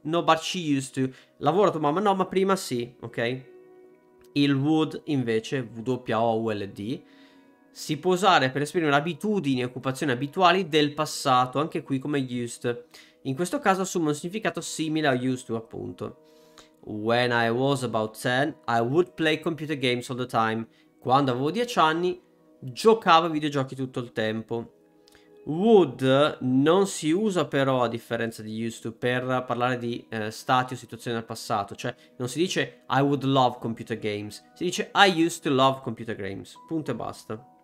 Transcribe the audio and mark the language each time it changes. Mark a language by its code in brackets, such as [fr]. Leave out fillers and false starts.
[en] No, but she used to. [it] Lavora tua mamma? No, ma prima sì, ok? Il would, invece, WOULD, si può usare per esprimere abitudini e occupazioni abituali del passato, anche qui come used. In questo caso assume un significato simile a used to, appunto. [en] When I was about 10, I would play computer games all the time. [it] Quando avevo 10 anni, giocavo a videogiochi tutto il tempo. Would non si usa però a differenza di used to per parlare di stati o situazioni del passato, cioè non si dice [en] I would love computer games, [it] si dice [en] I used to love computer games, [it] punto e basta.